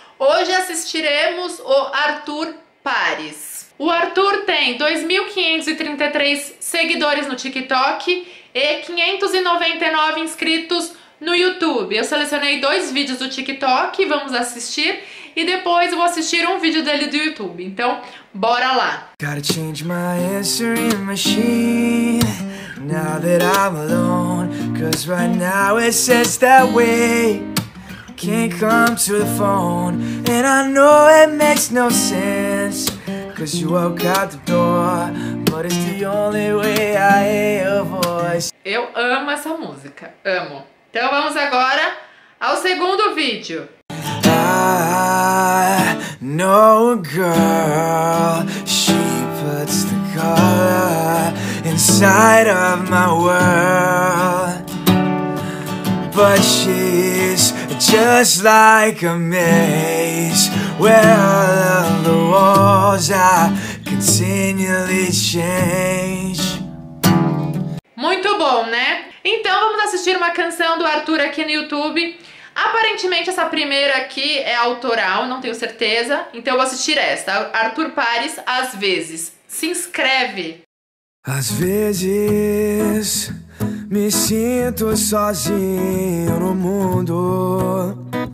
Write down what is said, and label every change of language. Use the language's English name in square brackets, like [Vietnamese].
[Portuguese] Hoje assistiremos o Arthur Paris. O Arthur tem 2.533 seguidores no TikTok e 599 inscritos no YouTube. Eu selecionei dois vídeos do TikTok, vamos assistir, e depois eu vou assistir um vídeo dele do YouTube. Então, bora lá! [English] Gotta change my answering machine now that I'm alone. Cause right now it says that way. Can't come to the phone. And I know it makes no sense. Cause you walk out the door. But it's the only way I avoid. [Portuguese] Eu amo essa música. Amo. Então vamos agora ao segundo vídeo. [English] I know a girl. She puts the color inside of my world. But she's just like a maze where all of the walls are continually changed. [Portuguese] Muito bom, né? Então vamos assistir uma canção do Arthur aqui no YouTube. Aparentemente essa primeira aqui é autoral, não tenho certeza. Então eu vou assistir esta, Arthur Paris, Às Vezes. Se inscreve! Às vezes me sinto sozinho no mundo.